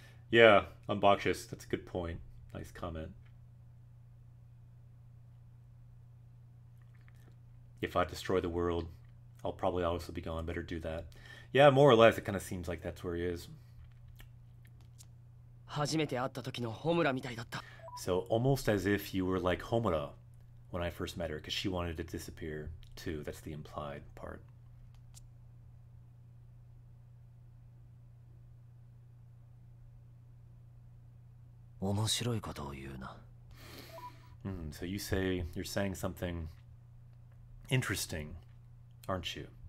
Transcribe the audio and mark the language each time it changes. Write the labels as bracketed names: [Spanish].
[English] Yeah, unboxious. That's a good point. Nice comment. If I destroy the world, I'll probably also be gone. Better do that. Yeah, more or less, it kind of seems like that's where he is. [Japanese] 初めて会った時のホムラみたいだった。 [English] So almost as if you were like Homura when I first met her, because she wanted to disappear too. That's the implied part. So you're saying something interesting, aren't you?